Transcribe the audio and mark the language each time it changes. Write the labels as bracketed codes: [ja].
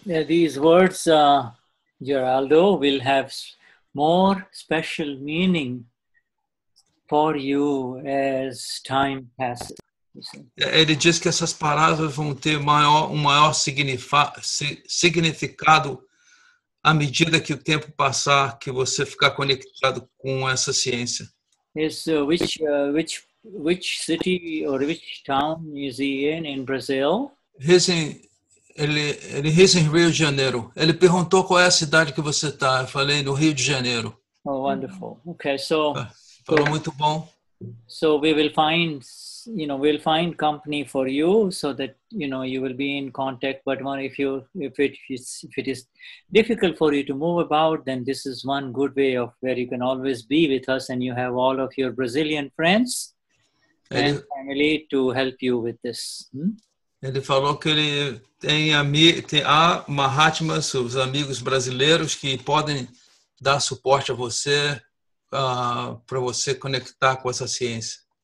[en] These words, Geraldo, will have more special meaning for you as time passes. [pt] Ele diz que essas palavras vão ter um maior significado à medida que o tempo passar, que você ficar conectado com essa ciência. [en] Yes, which city or which town is he in Brazil? [pt] Ele reside em Rio de Janeiro. Ele perguntou qual é a cidade que você está. Eu falei no Rio de Janeiro. [en] Oh, wonderful. Okay, so. [pt] Falou muito bom. [en] So we will find, you know, we'll find company for you, so that you know you will be in contact. But one, if it is difficult for you to move about, then this is one good way of where you can always be with us, and you have all of your Brazilian friends and family to help you with this. [pt] Ele falou que ele tem Mahatmas, os amigos brasileiros, que podem dar suporte a você, para você conectar com essa ciência.